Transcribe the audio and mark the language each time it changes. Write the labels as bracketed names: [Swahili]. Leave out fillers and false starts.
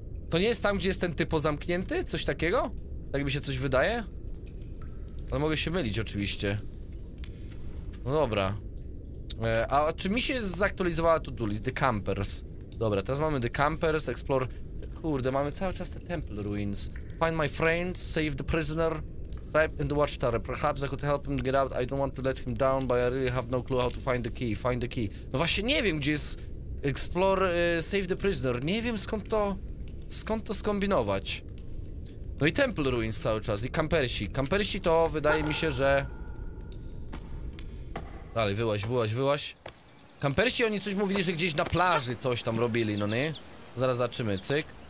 [Polish] To nie jest tam, gdzie jest ten typo zamknięty? Coś takiego? Tak mi się coś wydaje? Ale mogę się mylić oczywiście. No dobra. A czy mi się zaktualizowała to-do list? The Campers. Dobra, teraz mamy The Campers, Explore. Kurde, mamy cały czas te Temple Ruins. [English] Find my friend, save the prisoner. Type in the watchtower. Perhaps I could help him get out. I don't want to let him down, but I really have no clue how to find the key. Find the key. [Polish] No właśnie, nie wiem, gdzie jest Explore, [English] save the prisoner. [Polish] Nie wiem, skąd to skombinować. No i Temple Ruins cały czas. I Campersi. Campersi to wydaje mi się, że... Dalej, wyłaź, wyłaź, wyłaź. Campersi, oni coś mówili, że gdzieś na plaży coś tam robili, no nie? Zaraz zobaczymy, cyk.